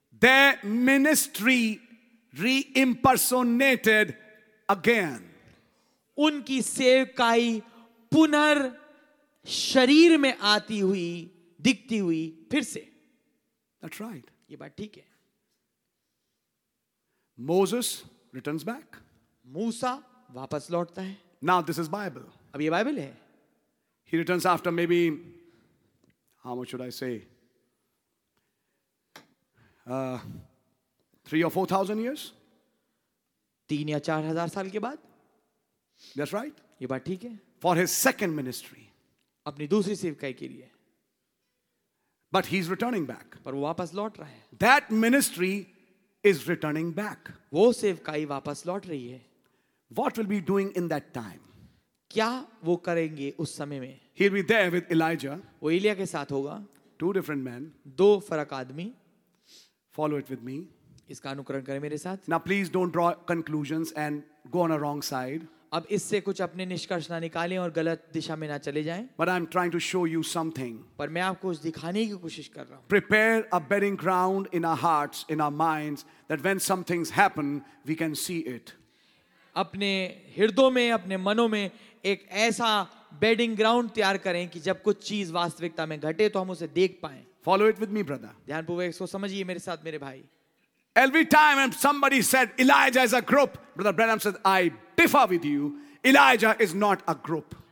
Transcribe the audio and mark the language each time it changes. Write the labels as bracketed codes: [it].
[en] Their ministry re-impersonated again. [hi] उनकी सेवकाई पुनर शरीर में आती हुई, दिखती हुई फिर से. [en] That's right. [hi] ये बात ठीक है. [en] Moses returns back. [hi] मूसा वापस लौटता है. [en] Now this is Bible. [hi] अब ये बाइबल है. [en] He returns after maybe, how much should I say? 3,000 or 4,000 years. [hi] 3,000 [en] or [hi] 4,000 साल के बाद. [en] That's right. [hi] ये बात ठीक है. [en] For his second ministry. [hi] अपनी दूसरी सेवकाई के लिए. [en] But he's returning back. [hi] पर वो वापस लौट रहा है. [en] That ministry is returning back. [hi] वो सेवकाई वापस लौट रही है. [en] What will be doing in that time? [hi] क्या वो करेंगे उस समय में? [en] He'll be there with Elijah. [hi] वो एलिया के साथ होगा. [en] Two different men. [hi] दो फरक आदमी. [en] Follow it with me. [hi] इसका अनुकरण करें मेरे साथ. [en] Now please don't draw conclusions and go on a wrong side. [hi] अब इससे कुछ अपने निष्कर्ष ना निकालें और गलत दिशा में ना चले जाएं. [en] But I'm trying to show you something. [hi] पर मैं आपको कुछ दिखाने की कोशिश कर रहा हूं. [en] Prepare a bedding ground in our hearts, in our minds, that when some things happen, we can see it. [hi] अपने हृदयों में, अपने मनों में एक ऐसा [en] breeding ground [hi] तैयार करें कि जब कुछ चीज वास्तविकता में घटे तो हम उसे देख पाए. [en] Follow it with me brother. [hi] ध्यानपूर्वक इसको समझिए मेरे साथ मेरे भाई. [en] Every time when somebody said Elijah is a group, brother Branham said I differ with you, Elijah is not a group.